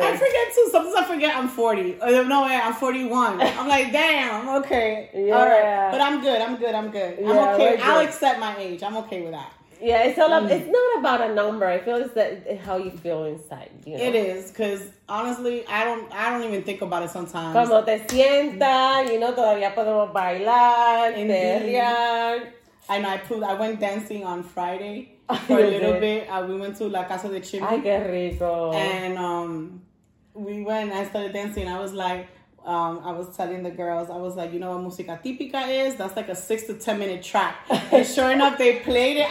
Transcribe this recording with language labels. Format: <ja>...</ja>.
<en>I forget too. Sometimes I forget I'm 40. No way, I'm 41. I'm like, damn. Okay, yeah. All right. But I'm good. Yeah, I'm okay. I'll accept my age. I'm okay with that. Yeah, it's all. It's not about a number. I feel it's that how you feel inside. It is because honestly, I don't even think about it sometimes.</en> <es>Como te sientas, todavía podemos bailar, perrear.</es> <en>I know. I went dancing on Friday. For a little bit, we went to La Casa de Chimney.</en> <es>Ay, qué rico.</es> <en>And we went, I started dancing. I was like, I was telling the girls, I was like, what música típica is? That's like a 6 to 10 minute track. And sure enough, they played it.</en>